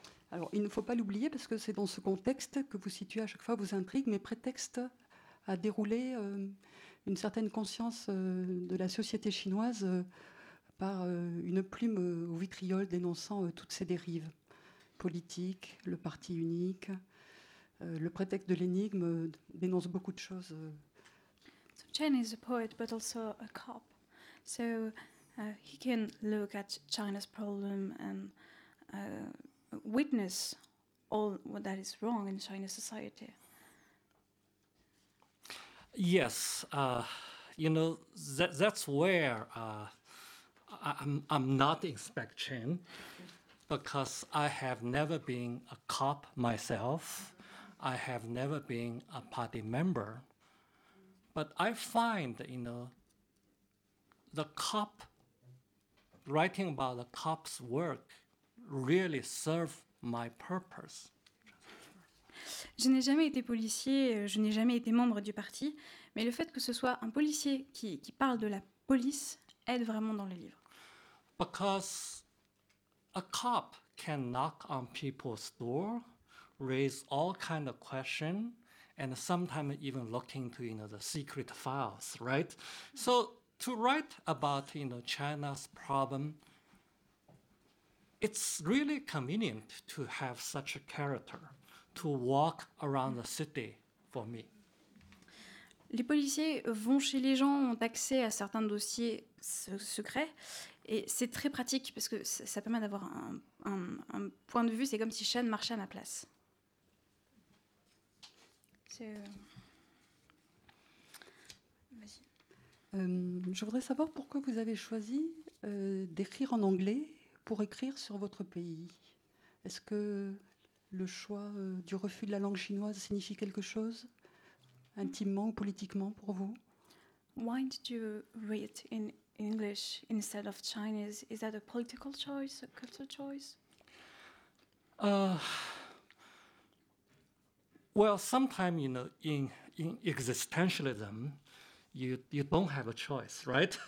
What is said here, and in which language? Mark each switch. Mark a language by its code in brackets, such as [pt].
[fr] Alors, il ne faut pas l'oublier parce que c'est dans ce contexte que vous situez à chaque fois vos intrigues, mais prétexte à dérouler une certaine conscience de la société chinoise par une plume au vitriol dénonçant toutes ces dérives politiques, le parti unique. Le prétexte de l'énigme dénonce beaucoup de choses. [en] So Chen is a poet, but also a cop. So he can look at China's problem and witness all what that is wrong in Chinese society. Yes, you know, that's where I'm not Inspector Chen, because I have never been a cop myself. I have never been a party member, but I find, you know, the cop, writing about the cop's work really serve my purpose. [fr] Je n'ai jamais été policier, je n'ai jamais été membre du parti, mais le fait que ce soit un policier qui parle de la police aide vraiment dans le livre. [en] Because a cop can knock on people's door, raise all kind of question, and sometimes even look into, you know, the secret files, right? So to write about, you know, China's problem, it's really convenient to have such a character to walk around the city for me. [fr] Les policiers vont chez les gens, ont accès à certains dossiers secrets, et c'est très pratique parce que ça permet d'avoir un point de vue. C'est comme si Shen marchait à ma place. Je voudrais savoir pourquoi vous avez choisi d'écrire en anglais pour écrire sur votre pays. Est-ce que le choix du refus de la langue chinoise signifie quelque chose intimement ou politiquement pour vous? [en] Why did you write in English instead of Chinese? Is that a political choice, a cultural choice? Well, sometimes, you know, in existentialism, you don't have a choice, right?